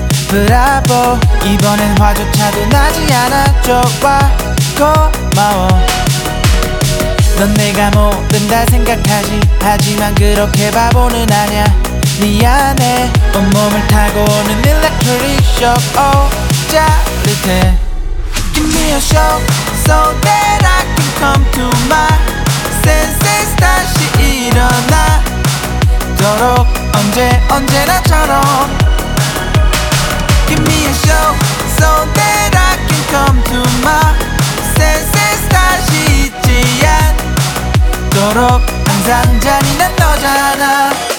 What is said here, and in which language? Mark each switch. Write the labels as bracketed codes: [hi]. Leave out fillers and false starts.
[ko] 브라보, 이번엔 화조차도 나지 않아. 좋아, 고마워. 넌 내가 뭐든 다 생각하지. 하지만 그렇게 바보는 아냐. 미안해. 온몸을 타고 오는 [en] electric shock. [ko] Oh, 짜릿해. [en] Give me a shock so that I can come to my senses. [ko] 다시 일어나도록 언제 언제나처럼. [en] Give me a shock so that I can come to my senses. [ko] 다시 잊지 않도록 항상 잔인한 너잖아.